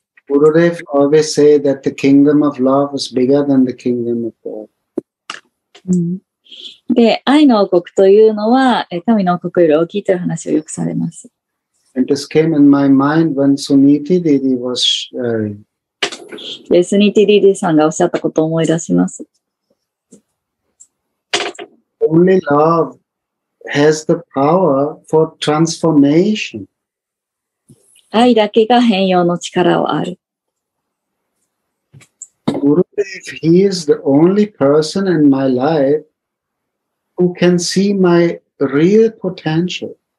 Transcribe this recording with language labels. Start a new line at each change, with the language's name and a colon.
English: Gurudev always say that the kingdom of love is bigger than the kingdom of war.
Japanese: で、愛の王国というのは、神の王国より大きいという話をよくされます。
English: And this came in my mind when Suniti Didi was sharing.
Japanese: で、Suniti Didi さんがおっしゃったことを思い出します。
English: Only love has the power for transformation.
Japanese: 愛だけが変容の力をある。
English: Gurudev, he is the only person in my life who can see my real potential.